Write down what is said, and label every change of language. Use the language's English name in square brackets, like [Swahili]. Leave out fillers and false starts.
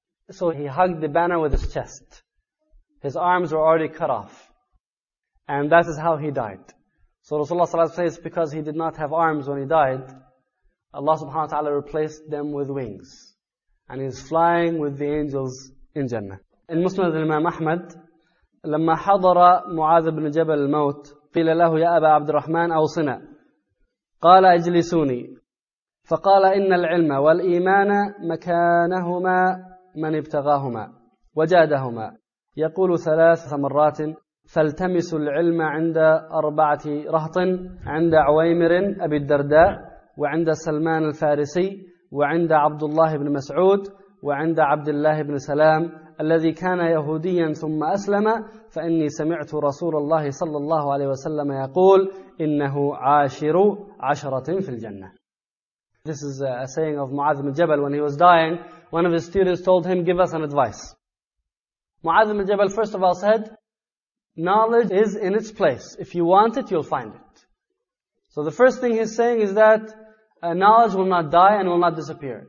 [English] So he hugged the banner with his chest. His arms were already cut off. And that is how he died. So Rasulullah says, because he did not have arms when he died, Allah subhanahu wa ta'ala replaced them with wings. And he's flying with the angels in Jannah. In Musnad al-Imam Ahmad, [Arabic] لما حضر معاذ بن جبل الموت قيل له يا أبا عبد الرحمن أوصنا قال اجلسوني فقال إن العلم والإيمان مكانهما من ابتغاهما وجادهما يقول ثلاث مرات فالتمسوا العلم عند أربعة رهط عند عويمر أبي الدرداء وعند سلمان الفارسي وعند عبد الله بن مسعود وعند عبد الله بن سلام الذي كان يهوديا ثم أسلم فإني سمعت رسول الله صلى الله عليه وسلم يقول إنه عاشر عشرة في الجنة. [English] This is a saying of Mu'adh ibn Jabal. When he was dying, one of his students told him, give us an advice. Mu'adh ibn Jabal first of all said, knowledge is in its place. If you want it, you'll find it. So the first thing he's saying is that knowledge will not die and will not disappear.